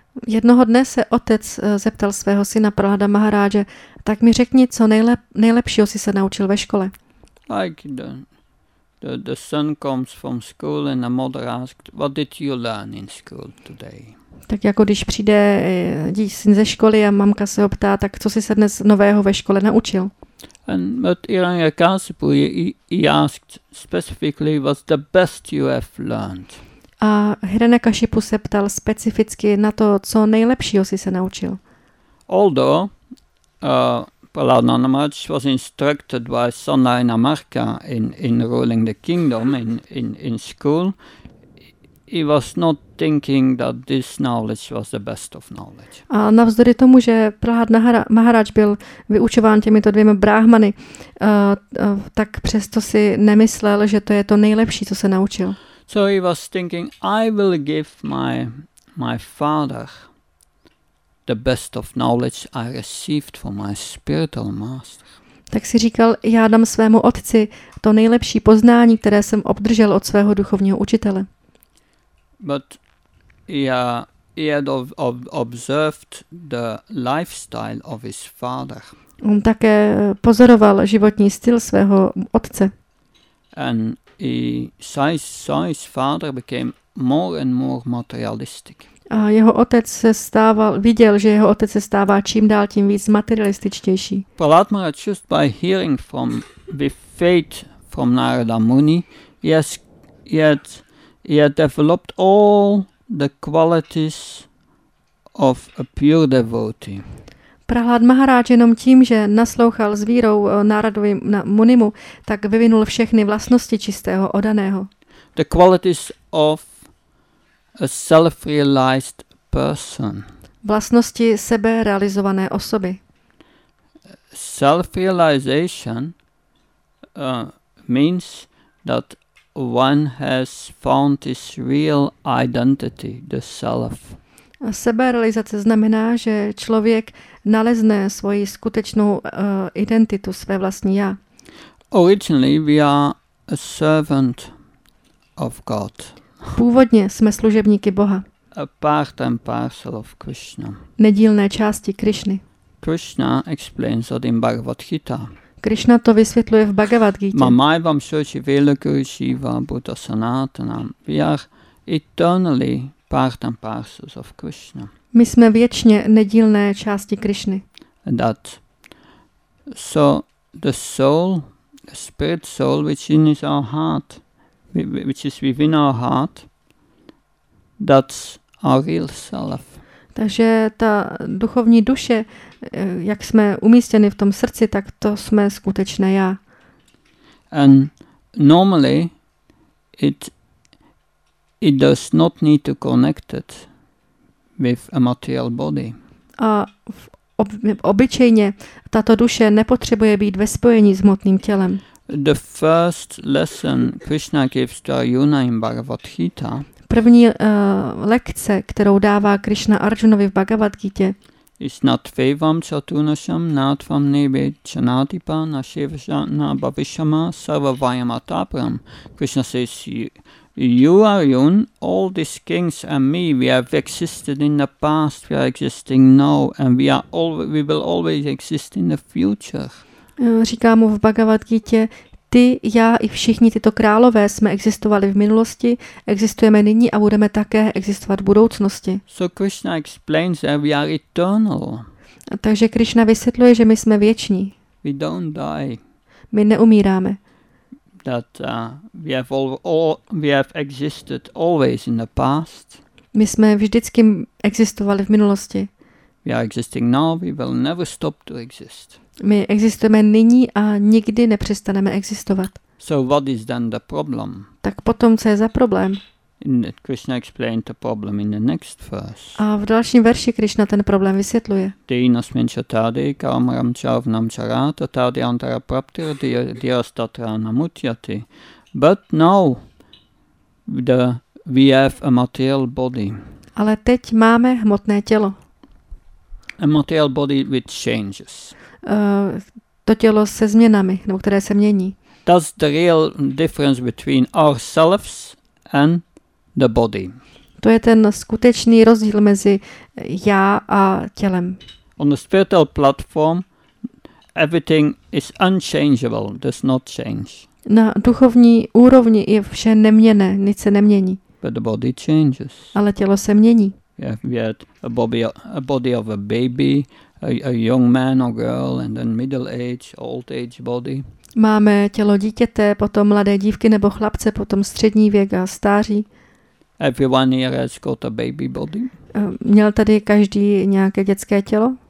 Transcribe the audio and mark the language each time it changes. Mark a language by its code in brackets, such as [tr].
[cs] Jednoho dne se otec zeptal svého syna Prahláda Maharáže, tak mi řekni, co nejlepšího jsi se naučil ve škole. [en] Like the son comes from school and the mother asked, what did you learn in school today? [cs] Tak jako když přijde syn ze školy a mamka se ho ptá, tak co jsi se dnes nového ve škole naučil? [en] And but Hiranyakasipu, he asked specifically, what's the best you have learned? [cs] A Hiranyakasipu se ptal specificky na to, co nejlepšího jsi se naučil. [en] Although Paladanamaj was instructed by Sanayana Marka in ruling the kingdom in school, he was not thinking that this knowledge was the best of knowledge. [cs] A navzdory tomu, že Prahlad Maharaj byl vyučován těmito dvěma bráhmany, tak přesto si nemyslel, že to je to nejlepší, co se naučil. [en] So he was thinking, I will give my father the best of knowledge I received from my spiritual master. [cs] Tak si říkal, já dám svému otci to nejlepší poznání, které jsem obdržel od svého duchovního učitele. [en] But he had observed the lifestyle of his father. [cs] On také pozoroval životní styl svého otce. [en] And he saw his father became more and more materialistic. [cs] A jeho otec se stával, viděl, že jeho otec se stává čím dál tím víc materialističtější. [en] Prahlad Maharaj just by hearing from with faith from Narada Muni, he had developed all the qualities of a pure devotee. [cs] Prahlad Maharaj jenom tím, že naslouchal s vírou Naradovi Munimu, tak vyvinul všechny vlastnosti čistého odaného. [en] The qualities of a self-realized person. [cs] Vlastnosti seberealizované osoby. [en] Self-realization means that one has found his real identity, the self. [cs] A seberealizace znamená, že člověk nalezne svoji skutečnou identitu, své vlastní já. [en] Originally we are a servant of God. [cs] Původně jsme služebníky Boha. [en] A part and parcel of Krishna. [cs] Nedílné části Krishny. [en] Krishna explains it in Bhagavad Gita. [cs] Krishna to vysvětluje v Bhagavad Gita. Mamaivam shochi velakuru shiva buddha sanatanam. [en] We are eternally part and parcel of Krishna. [cs] My jsme věčně nedílné části Krishny. [en] And that. So the soul, the spirit soul, which is our heart, which is within our heart, that's our real self. [cs] Takže ta duchovní duše, jak jsme umístěni v tom srdci, tak to jsme skutečné já. [en] And normally it does not need to connect it with a material body. [cs] A obyčejně tato duše nepotřebuje být ve spojení s hmotným tělem. [en] The first lesson Krishna gives to Arjuna in Bhagavad Gita. [cs] První lekce, kterou dává Krishna Arjunovi v Bhagavad Gita. Is not vevam chatunasham natvam nebe chanatipa na shivsha na bhavishama sarvavayamatapram. [en] Krishna says, you Arjun, all these kings and me, we have existed in the past, we are existing now, and we will always exist in the future. [cs] Říká mu v Bhagavad Gita, ty, já i všichni tyto králové jsme existovali v minulosti, existujeme nyní a budeme také existovat v budoucnosti. [en] So Krishna explains that we are eternal. [cs] Takže Krishna vysvětluje, že my jsme věční. [en] We don't die. [cs] My neumíráme. [en] That we have existed always in the past. [cs] My jsme vždycky existovali v minulosti. [en] We are existing now, we will never stop to exist. [cs] My existujeme nyní a nikdy nepřestaneme existovat. [en] So what is then the problem? [cs] Tak potom co je za problém? [en] Krishna explained the problem in the next verse. [cs] A v dalším verši Krishna ten problém vysvětluje. Dinasmenchatadi kamram chavnam charata tadi antara praptir diastatra namutyati. [en] But now we have a material body. [cs] Ale teď máme hmotné tělo. [en] A material body which changes. [cs] To tělo se změnami, nebo které se mění. [en] That's the real difference between ourselves and the body. [cs] To je ten skutečný rozdíl mezi já a tělem. [en] On the spiritual platform, everything is unchangeable, does not change. [cs] Na duchovní úrovni je vše neměnné, nic se nemění. [en] But the body changes. [cs] Ale tělo se mění. [en] Yeah, we had a body of a baby, a young man or girl, and then middle age, old age body. [cs] Máme tělo dítěte, potom mladé dívky nebo chlapce, potom střední věk a stáří. [en] Everyone here has got a baby body. [cs] Měl tady každý nějaké dětské tělo?